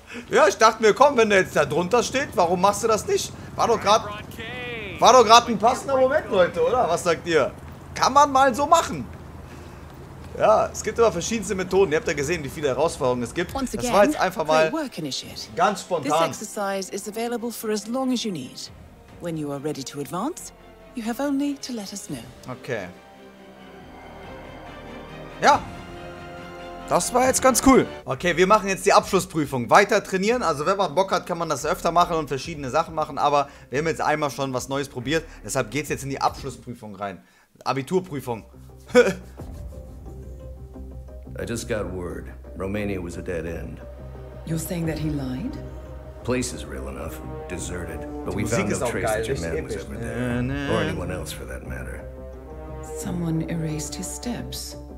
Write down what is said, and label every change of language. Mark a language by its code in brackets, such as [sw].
[de] Ja, ich dachte mir, komm, wenn der jetzt da drunter steht, warum machst du das nicht? War doch gerade ein passender Moment, Leute, oder? Was sagt ihr? Kann man mal so machen. Ja, es gibt immer verschiedenste Methoden. Ihr habt ja gesehen, wie viele Herausforderungen es gibt. Das war jetzt einfach mal ganz spontan. [en] This exercise is available for as long as you need. When you are ready to advance, you have only to let us know. Okay. [de] Ja. Das war jetzt ganz cool. Okay, wir machen jetzt die Abschlussprüfung. Weiter trainieren. Also wenn man Bock hat, kann man das öfter machen und verschiedene Sachen machen. Aber wir haben jetzt einmal schon was Neues probiert. Deshalb geht's jetzt in die Abschlussprüfung rein. Abiturprüfung. [en] I just got word. Romania was a dead end. You're saying that he lied? Place is real enough, deserted, but we found no trace that your man was ever there, or anyone else for that matter. Someone erased his steps.